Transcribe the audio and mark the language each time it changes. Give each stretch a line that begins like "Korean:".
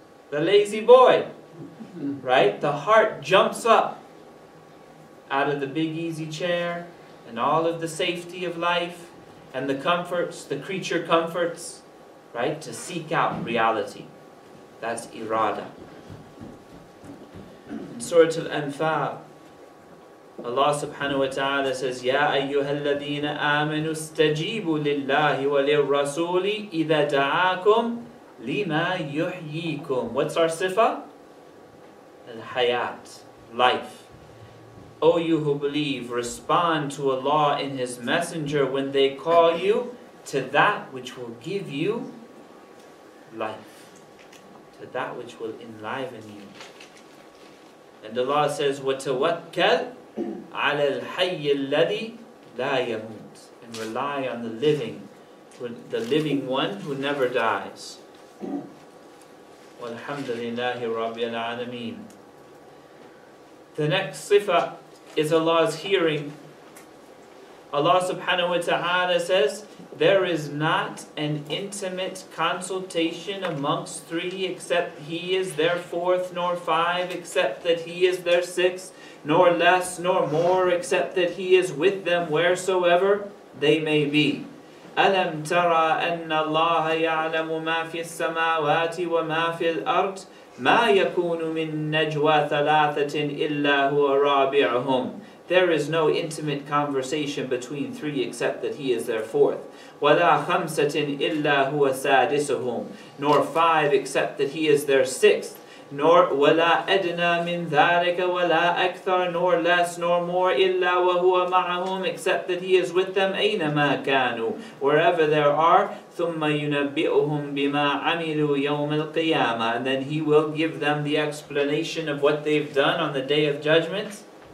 English: The lazy boy, right? The heart jumps up out of the big easy chair and all of the safety of life and the comforts, the creature comforts, right? To seek out reality. That's irada. In Surah Al-Anfal, Allah subhanahu wa ta'ala says,
Arabic: يَا أَيُّهَا الَّذِينَ آمَنُوا اسْتَجِيبُوا لِلَّهِ وَلِلْرَسُولِ إِذَا دَعَاكُمْ لِمَا يُحْيِيكُمْ.
English: What's our sifa? Al-hayat, life. O you who believe, respond to Allah and His Messenger when they call you to that which will give you life, to that which will enliven you. And Allah says,
Arabic: وَتَوَكَّلْ عَلَى الْحَيِّ الَّذِي لَا يَمُوتْ.
English: And rely on the living one who never dies.
Arabic: وَالْحَمْدَ لِلَّهِ رَبِّ الْعَالَمِينَ.
English: The next sifa is Allah's hearing. Allah subhanahu wa ta'ala says, there is not an intimate consultation amongst three except He is their fourth, nor five except that He is their sixth, nor less nor more except that He is with them wheresoever they may be.
Arabic: أَلَمْ تَرَى أَنَّ اللَّهَ يَعْلَمُ مَا فِي السَّمَاوَاتِ وَمَا فِي الْأَرْضِ مَا يَكُونُ مِن نَجْوَى ثَلَاثَةٍ إِلَّا هُوَ رَابِعُهُمْ.
English: There is no intimate conversation between three except that He is their fourth.
Arabic: وَلَا خَمْسَةٍ إِلَّا هُوَ سَادِسُهُمْ.
English: Nor five except that He is their sixth. Nor
Arabic: وَلَا أَدْنَى مِن ذَلِكَ وَلَا أَكْثَرَ.
English: Nor less nor more
Arabic: إِلَّا وَهُوَ مَعَهُمْ.
English: Except that He is with them
Arabic: أَيْنَمَا كَانُوا.
English: Wherever there are.
Arabic: ثُمَّ يُنَبِّئُهُمْ بِمَا عَمِلُوا يَوْمِ الْقِيَامَةِ.
English: And then He will give them the explanation of what they've done on the Day of Judgment.